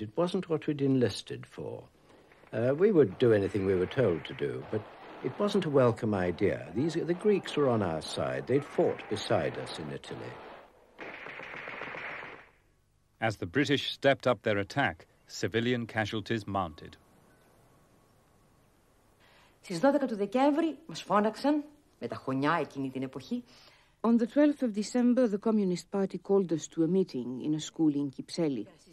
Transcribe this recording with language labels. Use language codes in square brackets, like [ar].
[en] It wasn't what we'd enlisted for. We would do anything we were told to do, but it wasn't a welcome idea. The Greeks were on our side. They'd fought beside us in Italy. As the British stepped up their attack, civilian casualties mounted. [el] Στις 12 του Δεκέμβρη μας φώναξαν με τα χωνιά εκείνη την εποχή. [en] On the 12th of December, the Communist Party called us to a meeting in a school in Kypseli.